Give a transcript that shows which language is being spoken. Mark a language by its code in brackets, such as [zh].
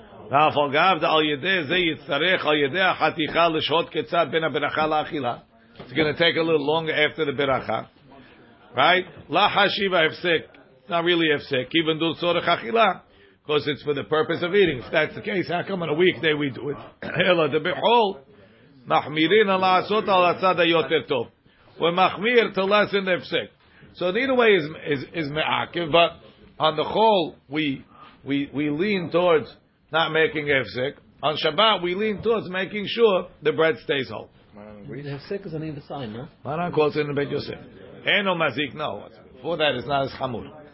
[he] ואף אגב, על ידי זה יצטרך, על ידי החתיכה, לשהות קצת בין הברכה לאכילה. [en] It's going to take a little longer after the ברכה. Right? [he] לא חשיבה הפסק. [en] It's not really הפסק. Even though [he] צורך אכילה. [en] Because it's for the purpose of eating. If that's the case, how come on a weekday we do it? [he] אלא דבחול, מחמירין על לעשות על הצד היותר טוב. [en] ומחמיר to lessen the הפסק. So either way is מעקב, but on the whole, we lean towards not making hefsek. On Shabbat, we lean towards making sure the bread stays whole. Hefsek is the name of the sign, no? Maran calls it in the Beit Yosef. [he] Eno mazik, [en] no. For that, it's not as chamur.